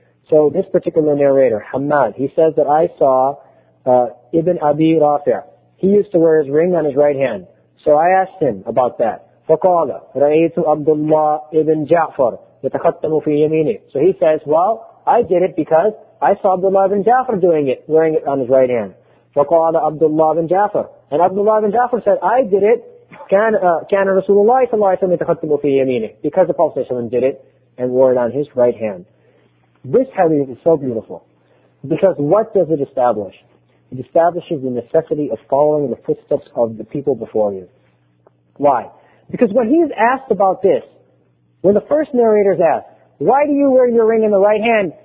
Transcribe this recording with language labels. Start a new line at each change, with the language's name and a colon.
English: So this particular narrator, Hammad, he says that I saw ibn Abi Rafi', he used to wear his ring on his right hand. So I asked him about that.
Arabic: فَقَالَ رَأَيْتُ عَبْدُ اللَّهِ ابْنَ جَعْفَرَ يَتَخَتَّمُ فِي يَمِينِهِ.
English: So he says, well, I did it because I saw Abdullah ibn Ja'far doing it, wearing it on his right hand.
Arabic: فَقَالَ عَبْدُ اللَّهِ ابْنَ جَعْفَرَ.
English: And Abdullah ibn Ja'far said, I did it,
Arabic: كَانَ رَسُولُ اللَّهِ صَلَّى اللَّهُ عَلَيْهِ وَسَلَّمَ يَتَخَتَّمُ فِي يَمِينِهِ.
English: Because the Prophet ﷺ did it and wore it on his right hand. This hadith is so beautiful. Because what does it establish? It establishes the necessity of following the footsteps of the people before you. Why? Because when he is asked about this, when the first narrator is asked, why do you wear your ring in the right hand?